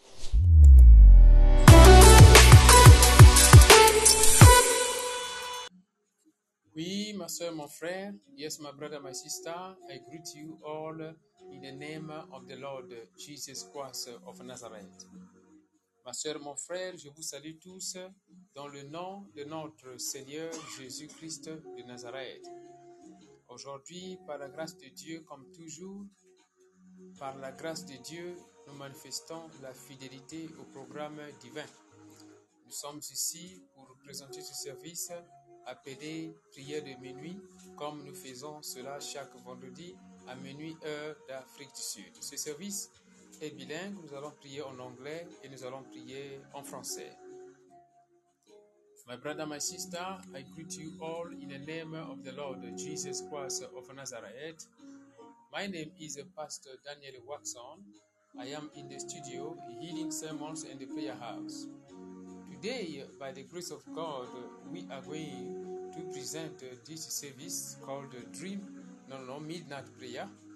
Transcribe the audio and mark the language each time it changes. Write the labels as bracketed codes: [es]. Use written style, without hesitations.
[en] Thank you. [fr] soeur, mon frère. [en] Yes, my brother, my sister. I greet you all in the name of the Lord Jesus Christ of Nazareth. [fr] Ma soeur, mon frère, je vous salue tous dans le nom de notre Seigneur Jésus-Christ de Nazareth. Aujourd'hui, par la grâce de Dieu, comme toujours, par la grâce de Dieu, nous manifestons la fidélité au programme divin. Nous sommes ici pour présenter ce service appelé prière de minuit, comme nous faisons cela chaque vendredi à minuit heure d'Afrique du Sud. Ce service est bilingue, nous allons prier en anglais et nous allons prier en français. [en] My brother, my sister, I greet you all in the name of the Lord Jesus Christ of Nazareth. My name is Pastor Daniel Watson. I am in the studio, Healing Sermons and the Prayer House. Today, by the grace of God, we are going to present this service called Midnight Prayer.